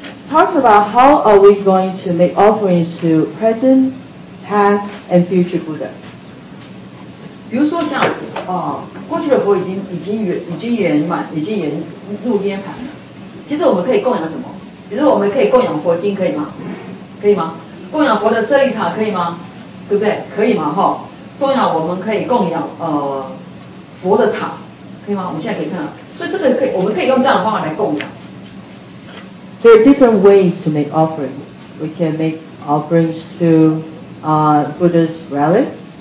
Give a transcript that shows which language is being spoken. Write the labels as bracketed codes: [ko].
[en] talk about how are we going to make offerings to present, past, and future Buddha. [zh] 比如说像过去的佛已经圆满入涅槃了，其实我们可以供养什么？其实我们可以供养佛经，可以吗？可以吗？供养佛的舍利塔，可以吗？对不对？可以吗？齁，供养我们可以供养佛的塔，可以吗？我们现在可以看到，所以这个可以，我们可以用这样的方法来供养。 [en] There are different ways to make offerings. We can make offerings to Buddha's relics.